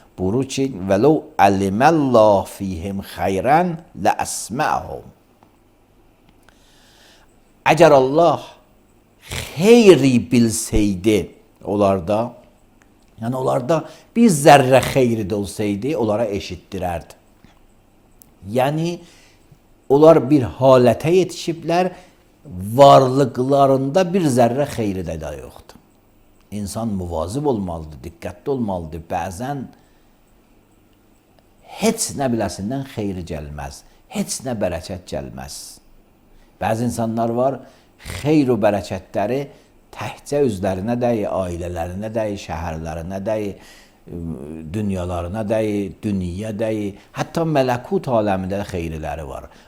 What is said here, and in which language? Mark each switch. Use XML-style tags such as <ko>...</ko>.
<az>Buru ki,</az> <ar>وَلَوْ أَلِمَ اللّٰهُ ف۪يهِمْ خَيْرًا لَأَسْمَعَهُمْ</ar> <az>Əgər Allah xeyri bilseydi onlarda, yəni onlarda bir zərrə xeyri də olsaydı, onlara eşitdirərdi. Yəni, onlar bir halətə yetişiblər, varlıqlarında bir zərrə xeyri də da yoxdur. İnsan müvazib olmalıdır, diqqətli olmalıdır. Bəzən heç nə biləsindən xeyri gəlməz, heç nə bərəkət gəlməz. Bəzi insanlar var, xeyr o bərəkətləri təhcə özlərinə dəyi, ailələrinə dəyi, şəhərlərinə dəyi, dünyalarına dəyi, dünya dəyi, hətta mələkut aləmində də xeyriləri var.</az>